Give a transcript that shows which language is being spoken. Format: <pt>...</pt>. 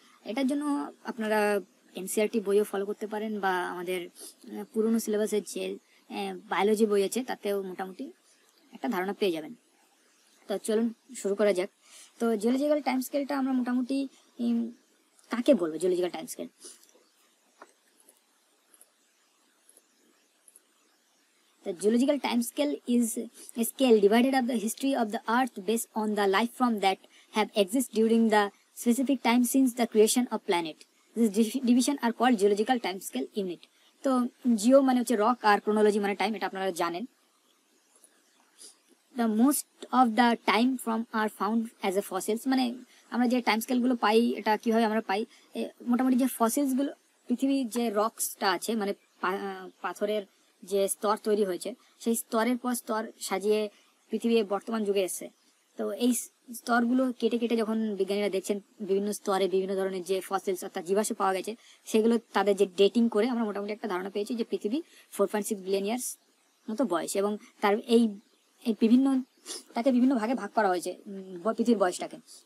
<bn>এটার জন্য আপনারা NCERT বইও ফলো করতে পারেন বা আমাদের পুরনো সিলেবাসের যে বায়োলজি বই আছে তাতেও মোটামুটি একটা ধারণা পেয়ে যাবেন। তো চলুন শুরু করা যাক। তো জিওলজিক্যাল টাইম স্কেলটা আমরা মোটামুটি কাকে বলবো?</bn> <en>Geological time scale The geological time scale is a scale divided of the history of the earth based on the life form that have existed during the specific time since the creation of planet. This division are called geological time scale unit. So, geo means rock and chronology means time.</en> <bn>It apnara janen.</bn> <en>The most of the time from are found as a fossils.</en> <bn>Mane amra je time scale gulo pai eta ki hoy amra pai motamoti je fossils gulo prithibi je rocks ta ache mane pathorer যে স্তর তৈরি হয়েছে সেই স্তরের পর স্তর সাজিয়ে পৃথিবী বর্তমান যুগে এসেছে। তো এই স্তরগুলো কেটে কেটে যখন বিজ্ঞানীরা দেখছেন বিভিন্ন স্তরে বিভিন্ন ধরনের যে ফসিলস অর্থাৎ জীবাশ্ম পাওয়া গেছে, সেগুলো তাদের যে ডেটিং করে আমরা মোটামুটি একটা ধারণা পেয়েছি যে পৃথিবী 4.6 বিলিয়ন ইয়ার্স মতো বয়স। এবং তার এই এই বিভিন্ন তাকে বিভিন্ন ভাগে ভাগ করা হয়েছে পৃথিবীর বয়সটাকে।</bn>